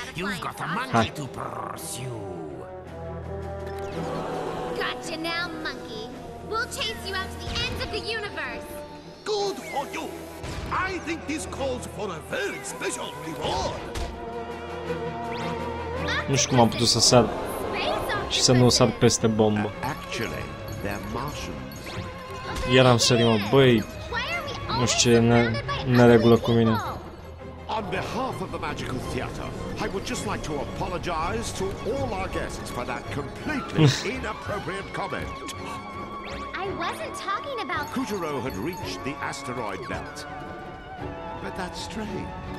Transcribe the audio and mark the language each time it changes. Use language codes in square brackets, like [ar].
[en] You've got a monkey to pursue. Gotcha now, monkey. We'll chase you out to the ends of the universe. Good for you. I think this calls for a very special reward. [ro] Nu știu cum am putut să sar și să nu sar peste bombă. [en] Actually, they're Martians. [ro] Iar am sărit, mă, băi, nu știu ce e neregulă cu mine. [en] On behalf of the Magical Theater, I would just like to apologize to all our guests for that completely inappropriate comment. I wasn't talking about... Kutaro had reached the asteroid belt. But that's strange.